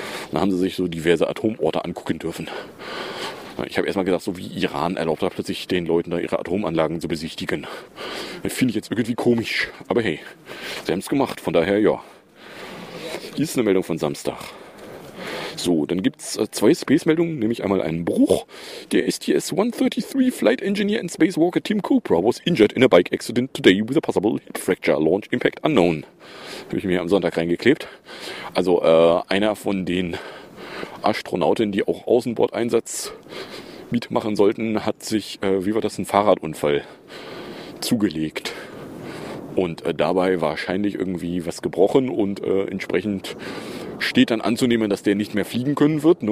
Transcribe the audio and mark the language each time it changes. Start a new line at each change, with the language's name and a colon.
German: Dann haben sie sich so diverse Atomorte angucken dürfen. Ich habe erstmal gedacht, so wie Iran erlaubt da plötzlich den Leuten da ihre Atomanlagen zu besichtigen. Finde ich jetzt irgendwie komisch. Aber hey, sie haben es gemacht. Von daher, ja. Hier ist eine Meldung von Samstag. So, dann gibt's zwei Space-Meldungen, nämlich einmal einen Bruch.
English: Der STS-133 Flight Engineer and Spacewalker Tim Kupra was injured in a bike accident today with a possible hip fracture, launch impact unknown.
German: Habe ich mir am Sonntag reingeklebt. Also, einer von den Astronauten, die auch Außenbordeinsatz mitmachen sollten, hat sich, wie war das, einen Fahrradunfall zugelegt. Und dabei wahrscheinlich irgendwie was gebrochen und entsprechend steht dann anzunehmen, dass der nicht mehr fliegen können wird, ne?